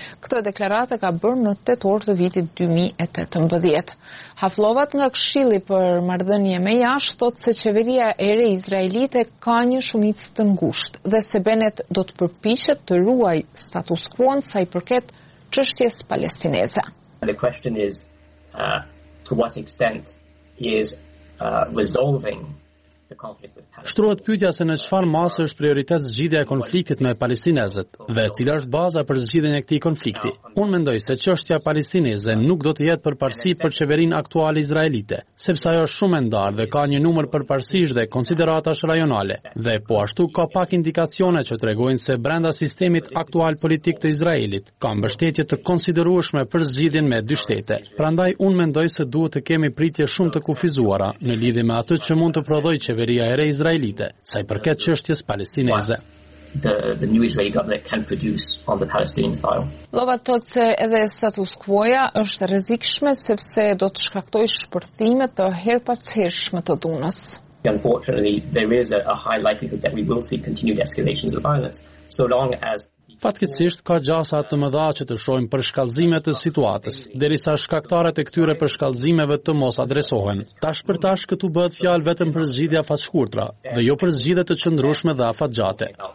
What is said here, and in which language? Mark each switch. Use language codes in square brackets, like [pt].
[sq] Këtë deklaratë ka bërë në tetor të vitit 2018. Haflovat nga Këshilli për Marrëdhënie me Jashtë thotë se qeveria e re izraelite ka një shumicë të ngushtë dhe se Bennett do të përpiqet të ruaj status quo-n sa i përket çështjes palestineze. [en] The question is to what extent is resolving the conflict with Palestine. [sq] Shtrohet pyetja se në çfarë masë është prioritet zgjidhja e konfliktit me palestinezët dhe cila është baza për zgjidhjen e këtij konflikti. Unë mendoj se çështja palestineze nuk do të jetë përparësi për qeverinë aktuale izraelite, sepse ajo është shumë e ndarë dhe ka një numër përparësish dhe konsideratash rajonale. Dhe po ashtu ka pak indikacione që tregojnë se brenda sistemit aktual politik të Izraelit ka mbështetje të konsiderueshme për zgjidhjen me dy shtete. Prandaj unë mendoj se duhet të kemi pritje shumë të kufizuara në lidhje me atë që mund të prodhojë qeveria e re izraelite sa i përket çështjes palestineze. [en] The new Israeli government can produce on the Palestinian file. [sq] Lova thotë se edhe status quo-ja është rrezikshme sepse do të shkaktoj shpërthime të herpashershme të dhunës. [en] Unfortunately, there is a high likelihood that we will see continued escalations of violence so long as. [sq] Fatkeqësisht ka gjasa të mëdha që të shohim për shkallëzime të situatës, derisa shkaktarët e këtyre përshkallëzimeve të mos adresohen. Tash për tash këtu bëhet fjalë vetëm për zgjidhja fatshkurtra dhe jo për zgjidhje të qëndrueshme dhe afatgjate.